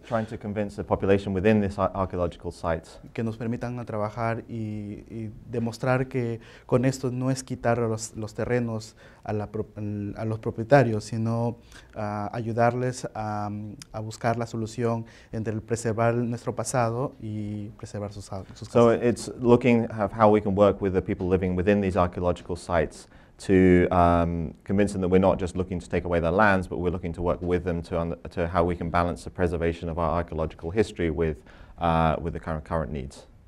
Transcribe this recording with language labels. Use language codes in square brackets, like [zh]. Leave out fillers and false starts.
[en] Trying to convince the population within this archaeological site. [es] Que nos permitan a trabajar y demostrar que con esto no es quitar los terrenos a los propietarios, sino ayudarles a buscar la solución entre el preservar nuestro pasado y preservar sus casas. [en] So it's looking at how we can work with the people living within these archaeological sites to convince them that we're not just looking to take away their lands, but we're looking to work with them to how we can balance the preservation of our archaeological history with the current needs.